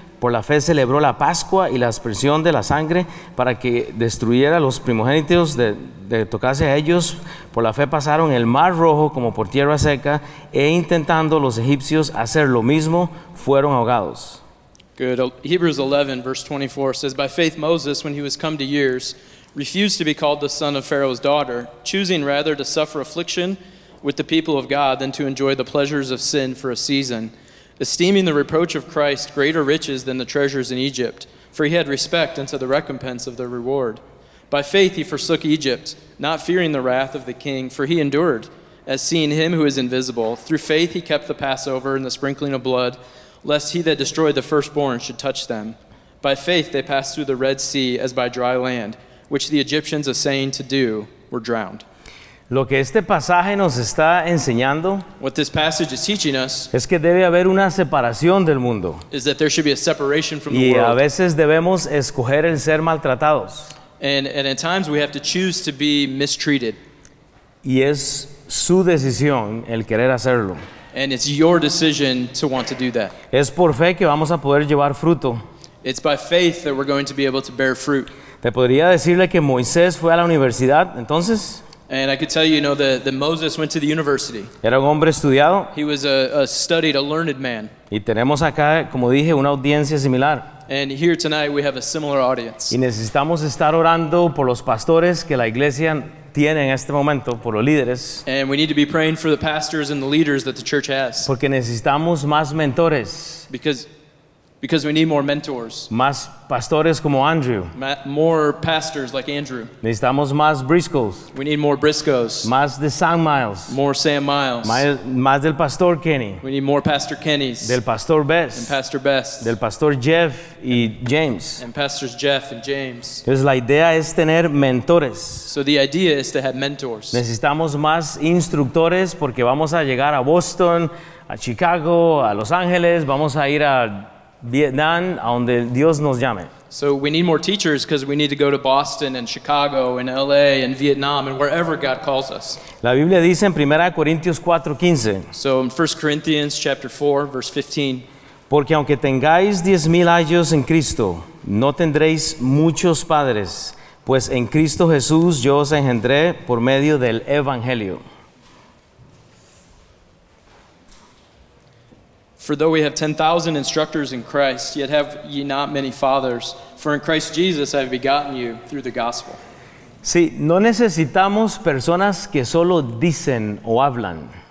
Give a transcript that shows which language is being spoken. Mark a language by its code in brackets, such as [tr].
[es] Por la fe celebró la Pascua y la aspersión de la sangre para que destruyera los primogénitos de tocarse a ellos. Por la fe pasaron el Mar Rojo como por tierra seca e intentando los egipcios hacer lo mismo, fueron ahogados. [en] Good. Hebrews 11, verse 24 says, by faith Moses, when he was come to years, refused to be called the son of Pharaoh's daughter, choosing rather to suffer affliction with the people of God than to enjoy the pleasures of sin for a season. esteeming the reproach of Christ greater riches than the treasures in Egypt, for he had respect unto the recompense of the reward. By faith he forsook Egypt, not fearing the wrath of the king, for he endured, as seeing him who is invisible. Through faith he kept the Passover and the sprinkling of blood, lest he that destroyed the firstborn should touch them. By faith they passed through the Red Sea as by dry land, which the Egyptians, assaying to do, were drowned. [es] Lo que este pasaje nos está enseñando, [en] what this passage is teaching us, [es] es que debe haber una separación del mundo. [en] Is that there should be a separation from [es] y [en] the world. [es] Y a veces debemos escoger el ser maltratados. [en] And at times we have to choose to be mistreated. [es] Y es su decisión el querer hacerlo. [en] And it's your decision to want to do that. [es] Es por fe que vamos a poder llevar fruto. [en] It's by faith that we're going to be able to bear fruit. [es] ¿Te podría decirle que Moisés fue a la universidad entonces? [en] And I could tell you, you know, that Moses went to the university. [es] Era un hombre estudiado. [en] He was a studied, a learned man. [es] Y tenemos acá, como dije, una audiencia similar. [en] And here tonight we have a similar audience. [es] Y necesitamos estar orando por los pastores que la iglesia tiene en este momento, por los líderes. [en] And we need to be praying for the pastors and the leaders that the church has. [es] Porque necesitamos más mentores. [en] Because we need more mentors. [es] Más pastores como Andrew. [en] More pastors like Andrew. [es] Necesitamos más Briscoes. [en] We need more Briscoes. [es] Más de Sam Miles. [en] More Sam Miles. [es] Más del pastor Kenny. [en] We need more Pastor Kennys. [es] Del pastor Best. [en] And Pastor Best. [es] Del pastor Jeff y James. [en] And pastors Jeff and James. [es] Entonces la idea es tener mentores. [en] So the idea is to have mentors. [es] Necesitamos más instructores porque vamos a llegar a Boston, a Chicago, a Los Ángeles, vamos a ir a Vietnam, a donde Dios nos llame. [en] So we need more teachers because we need to go to Boston and Chicago and LA and Vietnam and wherever God calls us. [es] La Biblia dice en 1 Corintios 4:15. [en] So in 1 Corinthians chapter 4 verse 15. [es] Porque aunque tengáis 10,000 años en Cristo, no tendréis muchos padres, pues en Cristo Jesús yo os engendré por medio del evangelio. [en] For though we have 10,000 instructors in Christ, yet have ye not many fathers. For in Christ Jesus I have begotten you through the gospel. [es] Sí, no necesitamos personas que solo dicen o hablan.